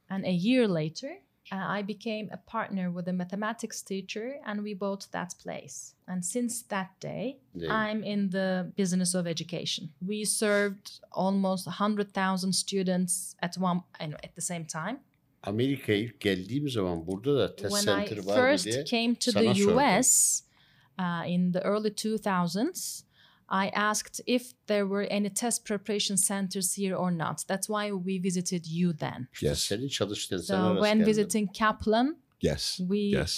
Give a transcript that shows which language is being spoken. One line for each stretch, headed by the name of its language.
English: And a year later, I became a partner with a mathematics teacher and we bought that place. And since that day, I'm in the business of education. We served almost 100,000 students at the same time.
Turkish: Amerika'ya geldiğim zaman burada da test center var diye.
English: When I first came to the US in the early 2000s, I asked if there were any test preparation centers here or not. That's why we visited you then. Yes. So when visiting Kaplan, we